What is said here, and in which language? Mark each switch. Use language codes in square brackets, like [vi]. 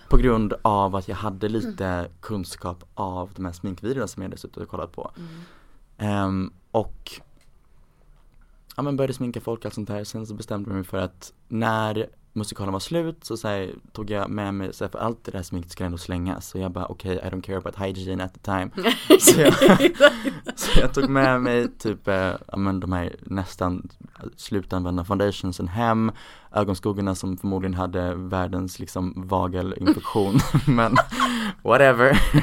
[sv] På grund av att jag hade lite kunskap av de här sminkvideorna som jag hade suttit och kollat på. Och ja, men började sminka folk och allt sånt här. Sen så bestämde jag mig för att när musikalen var slut så, så här, tog jag med mig så här, för allt det där sminket skulle ändå slängas. Så jag bara okej, [en] okay, I don't care about hygiene at the time. [sv] Så jag tog med mig typ ja, men de här nästan slutanvända foundationsen hem, ögonskuggorna som förmodligen hade världens liksom vagelinfektion. Men whatever.